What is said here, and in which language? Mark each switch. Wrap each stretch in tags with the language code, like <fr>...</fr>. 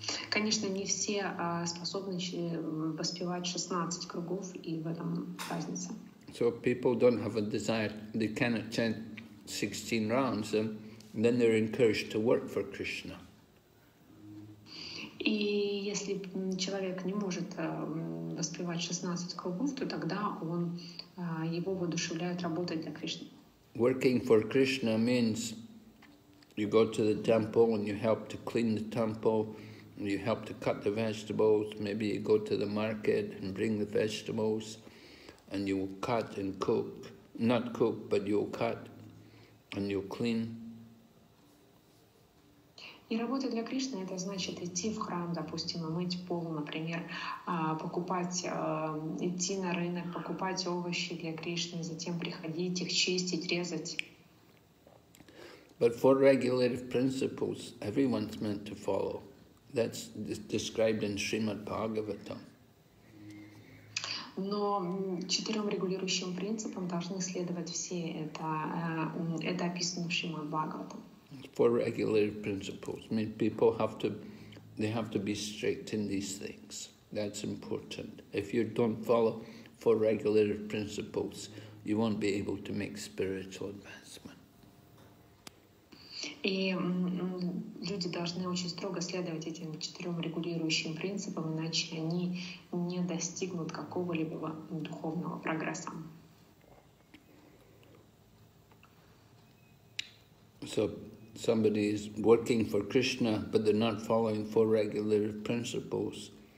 <ru>Конечно, не все способны воспевать 16 кругов, и в этом разница.</ru> <en>So people don't have a desire, they cannot chant 16 rounds, and then they're encouraged to work for Krishna.</en> <ru>И если человек не может воспевать 16 кругов, то тогда он его воодушевляет работать для Кришны.</ru> <en>Working for Krishna means you go to the temple and you help to clean the temple, you help to cut the vegetables, maybe you go to the market and bring the vegetables, and you will cut and cook, not cook, but you will cut and you will clean.</en> <ru>И работа для Кришны — это значит идти в храм, допустим, и мыть пол, например, покупать, идти на рынок, покупать овощи для Кришны, затем приходить их чистить, резать.</ru> <en>But four regulative principles everyone's meant to follow. That's described in Srimad Bhagavatam.</en> <ru>Но четырем регулирующим принципам должны следовать все. Это описано в Шримад Бхагаватам.</ru> <en>Four regulative principles. I mean, people have to, they have to be strict in these things. That's important. If you don't follow four regulative principles, you won't be able to make spiritual advancement.</en> <ru>И люди должны очень строго следовать этим четырем регулирующим принципам, иначе они не достигнут какого-либо духовного прогресса.</ru> <en>So somebody is working for Krishna, but they're not following four regulative principles.</en>